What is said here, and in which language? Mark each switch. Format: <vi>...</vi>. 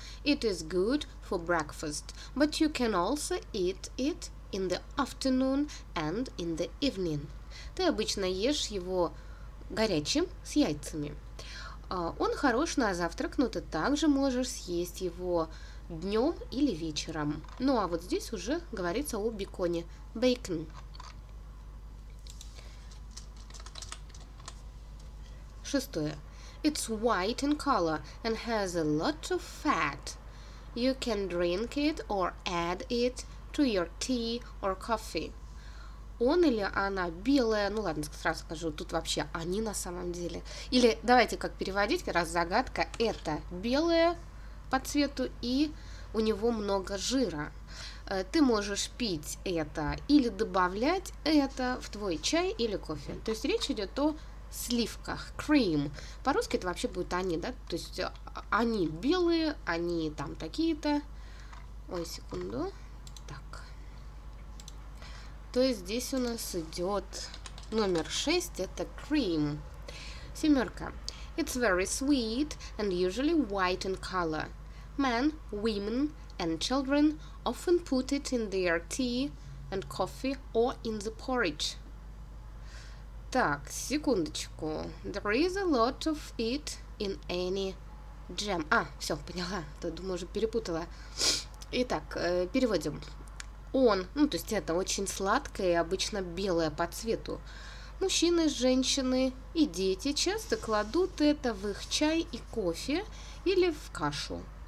<en>It is good for breakfast, but you can also eat it in the afternoon and in the evening.</en> <ru>Ты обычно ешь его горячим с яйцами. Он хорош на завтрак, но ты также можешь съесть его днем или вечером. Ну а вот здесь уже говорится о беконе.</ru> <en>Bacon.</en> <ru>Шестое.</ru> <en>It's white in color and has a lot of fat. You can drink it or add it to your tea or coffee.</en> <ru>Он или она белая, ну ладно, сразу скажу, тут вообще они на самом деле. Или давайте как переводить, раз загадка, это белая по цвету и у него много жира. Ты можешь пить это или добавлять это в твой чай или кофе. То есть речь идет о сливках, cream. По-русски это вообще будет они, да? То есть они белые, они там такие-то. Ой, секунду. Так. То есть здесь у нас идет номер 6, это cream. Семерка.</ru> <en>It's very sweet and usually white in color. Men, women and children often put it in their tea and coffee or in the porridge.</en> <ru>Так, секундочку.</ru> <en>There is a lot of it in any jam.</en> <ru>А, все, поняла. Тут, думаю, уже перепутала. Итак, переводим. Он, ну, то есть это очень сладкое и обычно белое по цвету. Мужчины, женщины и дети часто кладут это в их чай и кофе или в кашу.</ru>